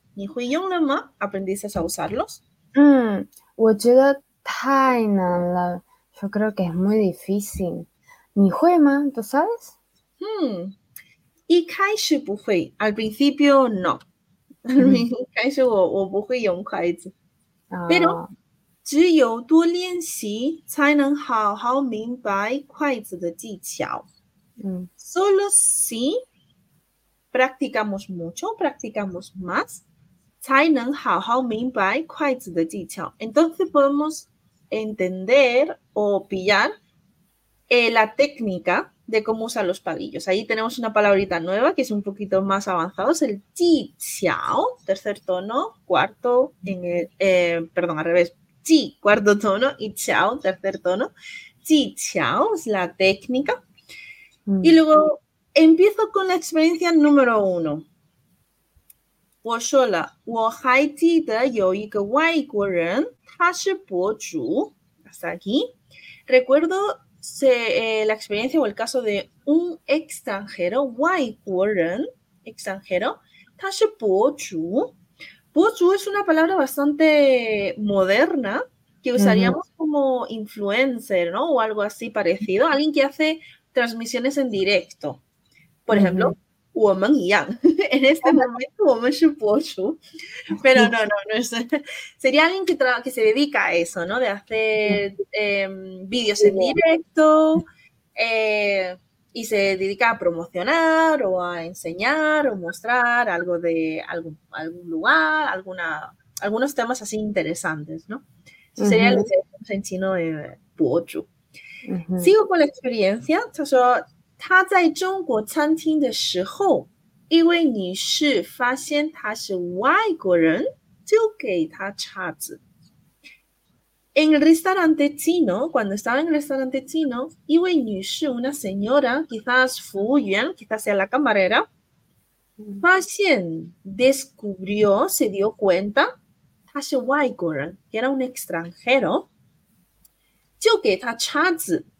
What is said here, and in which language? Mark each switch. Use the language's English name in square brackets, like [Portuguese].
[Spanish] ¿Ni fui yo la más aprendiste a usarlos？ [Chinese] 我觉得太难了 [Spanish] ，yo creo que es muy difícil。 [Chinese] 你会吗 ？ [Spanish] ¿Tú sabes？ [Chinese] 一开始不会 [Spanish] ，al principio no。 [Chinese] 一开始我不会用筷子、 [Spanish] ，pero [Chinese] 只有多练习才能好好明白筷子的技巧。 [Spanish] Solo si practicamos mucho, practicamos más。 [Chinese] 才能好好明白筷子的技巧 [Spanish] ，entonces podemos entender o pillar、la técnica de cómo usar los palillos. Ahí tenemos una palabrita nueva que es un poquito más avanzado, es el 技巧 tercer tono, cuarto en el、perdón al revés, 技cuarto tono y 巧 tercer tono. 技巧 es la técnica、y luego empiezo con la experiencia número uno. [Chinese] 我说了，我还记得有一个外国人，他是博主。 [Spanish] Hasta aquí. Recuerdo se, la experiencia o el caso de un extranjero, 外国人 extranjero, [Chinese] 他是博主。 [Spanish] 博主 es una palabra bastante moderna que usaríamos、mm-hmm. como influencer, ¿no? O algo así parecido. Alguien que hace transmisiones en directo. Por ejemplo,、mm-hmm. [Chinese] 我们一样 [Spanish] en este momento [Chinese] 我们是博主 [Spanish] pero no, no, no es, sería alguien que, que se dedica a eso ¿no? de hacer、vídeos en directo、y se dedica a promocionar o a enseñar o mostrar algo de algún lugar algunos temas así interesantes ¿no? Eso sería、uh-huh. lo que decimos en chino 博主、uh-huh. sigo con la experiencia entonces [Chinese] 他在中国餐厅的时候，一位女士发现他是外国人，就给他叉子。 [Spanish] En el restaurante chino, cuando estaba en el restaurante chino, [Chinese] 一位女士 [Spanish] una señora, quizás 服务员 quizás sea la camarera, [Chinese] 发现 [Spanish] descubrió, se dio cuenta, [Chinese] 他是外国人 [Spanish] que era un extranjero, [Chinese] 就给他叉子。